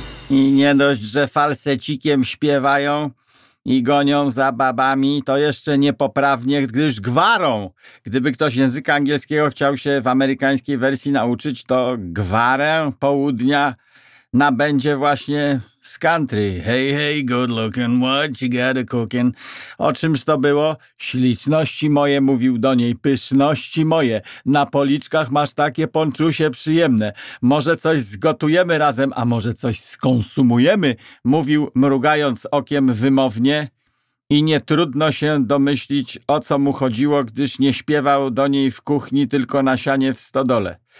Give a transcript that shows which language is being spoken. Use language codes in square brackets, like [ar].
[pl] I nie dość, że falsecikiem śpiewają i gonią za babami, to jeszcze niepoprawnie, gdyż gwarą. Gdyby ktoś języka angielskiego chciał się w amerykańskiej wersji nauczyć, to gwarę południa nabędzie właśnie z country. [en] Hey, hey, good looking, what you got a cooking? [pl] O czymż to było? Śliczności moje, mówił do niej, pyszności moje. Na policzkach masz takie ponczusie przyjemne. Może coś zgotujemy razem, a może coś skonsumujemy, mówił mrugając okiem wymownie. I nie trudno się domyślić, o co mu chodziło, gdyż nie śpiewał do niej w kuchni, tylko na sianie w stodole.